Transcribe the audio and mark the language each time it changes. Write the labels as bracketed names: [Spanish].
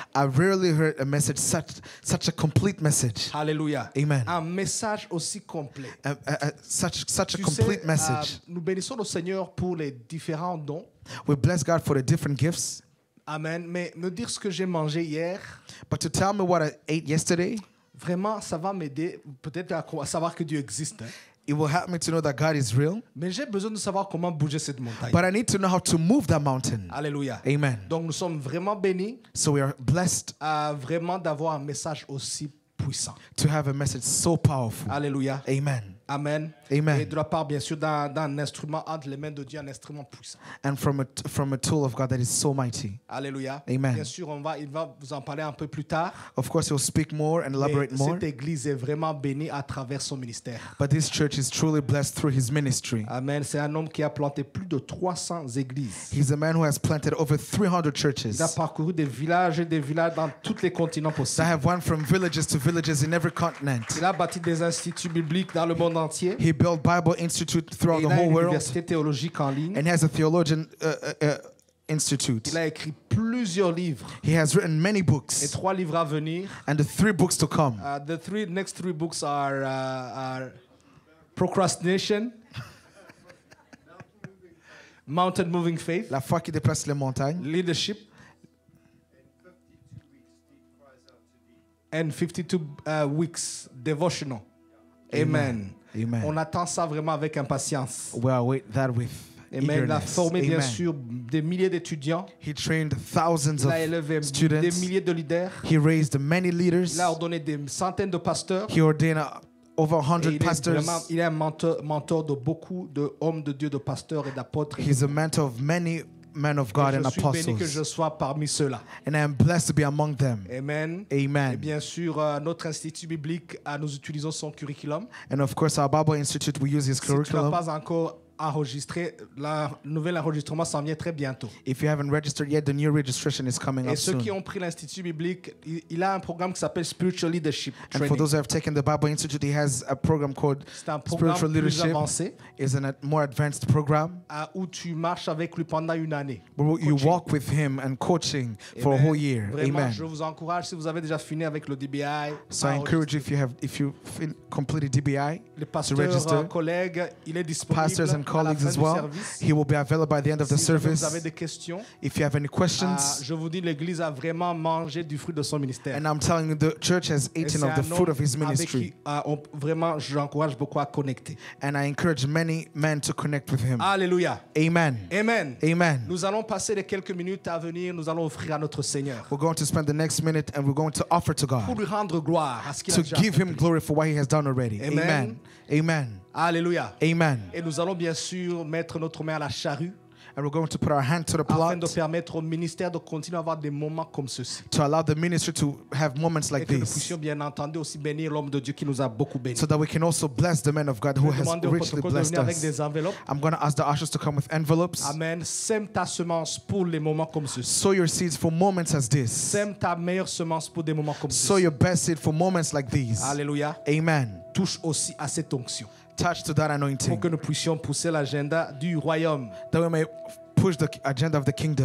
[English] I rarely heard a message such a complete message. Hallelujah. Amen. [French] Un message aussi complet. [English] Such a complete message. [French] Nous bénissons le Seigneur pour les différents dons. [English] We bless God for the different gifts. Amen. [French] Mais me dire ce que j'ai mangé hier. [English] But to tell me what I ate yesterday. [French] Vraiment, ça va m'aider peut-être à savoir que Dieu existe. [English] It will help me to know that God is real. [French] Mais j'ai besoin de savoir comment bouger cette montagne. [English] But I need to know how to move that mountain. Alléluia. Amen. [French] Donc nous sommes vraiment bénis. [English] So we are blessed. [French] Vraiment d'avoir un message aussi puissant. [English] To have a message so powerful. Alléluia. Amen. Amen. Amen. [French] Et de la part bien sûr d'un instrument entre les mains de Dieu, un instrument puissant. [English] And from a tool of God that is so mighty. Alléluia. Amen. [French] Bien sûr, il va vous en parler un peu plus tard. [English] Of course, he'll speak more and elaborate more. [French] Cette église est vraiment bénie à travers son ministère. [English] But this church is truly blessed through his ministry. Amen. [French] C'est un homme qui a planté plus de 300 églises. [English] He's a man who has planted over 300 churches. [French] Il a parcouru des villages dans tous les continents possibles. [English] They have went from villages to villages in every continent. [French] Il a bâti des instituts bibliques dans le monde entier. [English] He built Bible Institute throughout the whole world. [French] Il a une université théologique en ligne. [English] And he has a theologian institute. [French] Il a écrit plusieurs livres. [English] He has written many books. [French] Et trois livres à venir. [English] And the three books to come. The next three books are Procrastination, Mountain Moving Faith, [French] La foi qui dépasse les montagnes, [English] Leadership, and 52 weeks devotional. Amen. Amen. Amen. [French] On attend ça vraiment avec impatience. [English] We await that with Amen. Eagerness. [French] Il a formé, [English] Amen. [French] Bien sûr, des milliers d'étudiants. [English] He trained thousands [French] Il a élevé [English] of students. [French] Des milliers de leaders. [English] He raised many leaders. [French] Il a ordonné des centaines de pasteurs. [English] He ordained over 100 pastors. [French] Vraiment, il est un mentor de beaucoup de hommes de Dieu, de pasteurs et d'apôtres. [English] He's a mentor of many men of God and apostles. [French] Je suis béni que je sois parmi ceux-là. [English] And I am blessed to be among them. Amen. Amen. [French] Et bien sûr, notre institut biblique, nous utilisons son curriculum. [English] And of course, our Bible Institute, we use his curriculum. [French] Si tu n'as pas encore enregistré, la nouvelle enregistrement s'en vient très bientôt. [English] If you haven't registered yet, the new registration is coming [French] Et [English] up soon. [French] Et ceux qui ont pris l'institut biblique, il a un programme qui s'appelle Spiritual Leadership Training. [English] And for those who have taken the Bible Institute, he has a program called Spiritual Leadership. [French] C'est un programme plus avancé. [English] It's a more advanced program. [French] Où tu marches avec lui pendant une année. [English] Where you coaching. Walk with him and coaching for Amen. A whole year. [French] Vraiment, [English] Amen. [French] Je vous encourage si vous avez déjà fini avec le DBI. [English] So I encourage you if you completed DBI [French] pasteurs, [English] to register. [French] Collègues, il est disponible. [English] Pastors and colleagues as well. He will be available by the end of [French] si [English] the service. [French] Vous avez des questions, [English] if you have any questions, [French] je vous dis, l'église a vraiment mangé du fruit de son ministère. [English] And I'm telling you, the church has eaten of the fruit of his ministry. [French] Vraiment, j'encourage beaucoup à connecter. [English] And I encourage many men to connect with him. Alléluia. Amen. Amen. Amen. [French] Nous allons passer les quelques minutes à venir. Nous allons offrir à notre Seigneur. [English] We're going to spend the next minute and we're going to offer to God. [French] Pour lui rendre gloire, à ce qu'il [English] to [French] a déjà [English] give [French] fait [English] him glory for what he has done already. Amen. Amen. Amen. Alléluia. Amen. [French] Et nous allons bien sûr mettre notre main à la charrue. [English] And we're going to put our hand to the plot. [French] Afin de permettre au ministère de continuer à avoir des moments comme ceci. [English] To allow the ministry to have moments like [French] Et que [English] this. [French] Nous puissions bien entendu aussi bénir l'homme de Dieu qui nous a beaucoup béni. [English] So that we can also bless the man of God who has richly blessed us. [French] Avec des enveloppes. [English] I'm going to ask the ushers to come with envelopes. Amen. [French] Sème ta semence pour les moments comme ceci. [English] Sow your seeds for moments as this. [French] Sème ta meilleure semence pour des moments comme ceci. [English] Sow your best seed for moments like these. Alléluia. Amen. [French] Touche aussi à cette onction. [English] Touch to that anointing. [French] Pour que nous puissions pousser l'agenda du royaume. [English] That we may push the agenda of the kingdom.